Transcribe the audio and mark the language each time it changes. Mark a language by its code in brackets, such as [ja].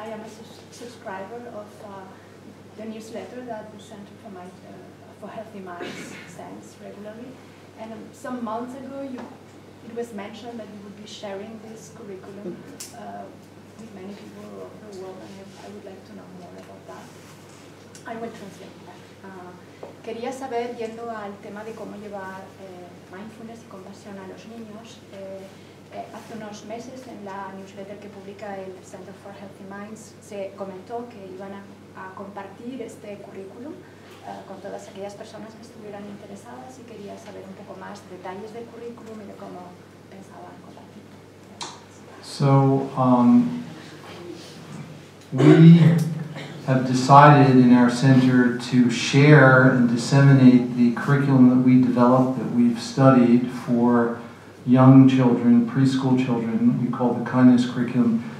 [en] I am a subscriber of the newsletter that the Center for Healthy Minds sends regularly, and some months ago it was mentioned that you would be sharing this curriculum with many people of the world, and I would like to know more about that. I will translate that. [es] Quería saber, yendo al tema de cómo llevar mindfulness y compasión a los niños, hace unos meses en la newsletter que publica el Center for Healthy Minds se comentó que iban a compartir este curriculum con todas aquellas personas que estuvieran interesadas y quería saber un poco más detalles del currículum y de cómo pensaban compartirlo. [en] So, we have decided in our center to share and disseminate the curriculum that we developed, that we've studied for young children, preschool children, we call the kindness curriculum.